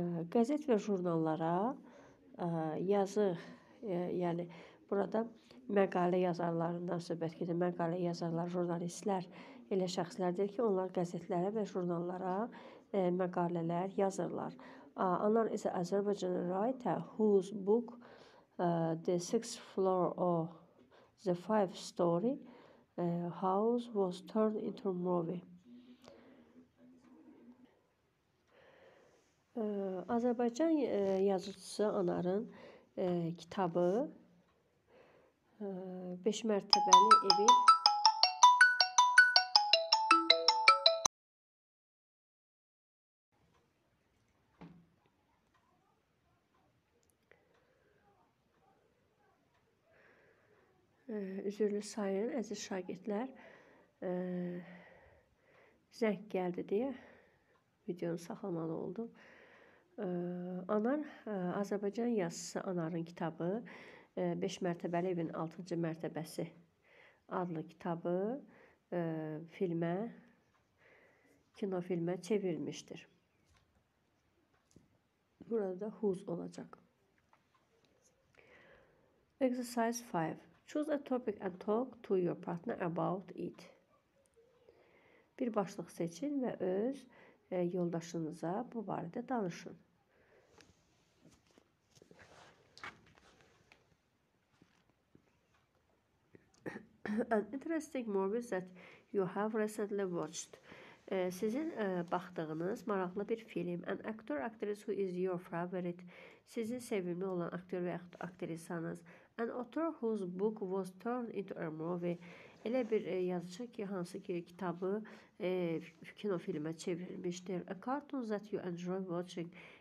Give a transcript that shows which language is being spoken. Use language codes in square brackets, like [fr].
[az] Qəzet və jurnallara yazı, yəni burada məqalə yazarlarından söhbət gedir. Məqalə yazarlar, jurnalistlər elə şəxslərdir ki, onlar qəzetlərə və jurnallara məqalələr yazırlar. [en] Anar is an Azerbaijan writer whose book The Sixth Floor or The Five Story House was turned into a movie. [az] Azərbaycan yazıcısı Anar'ın kitabı Beş Mərtəbəli Evi. Üzürlü sayın, əziz şagirdlər, zəng gəldi deyə videonu saxlamalı oldum. Anar, Azərbaycan yazısı Anarın kitabı, 5 mərtəbəli evin 6-cı mərtəbəsi adlı kitabı filmə, kino filmə çevrilmişdir. Burada da huz olacaq. [en] Exercise 5. Choose a topic and talk to your partner about it. [az] Bir başlıq seçin və öz yoldaşınıza bu barədə danışın. [en] An interesting movie that you have recently watched. [az] Sizin baxdığınız maraqlı bir film. [en] An actor, actress who is your favorite. [az] Sizin sevimli olan aktör və yaxud aktrisanız. [en] An author whose book was turned into a movie. [az] Elə bir yazıcı ki, hansı ki kitabı kino filmə çevrilmişdir. [en] A cartoon that you enjoy watching.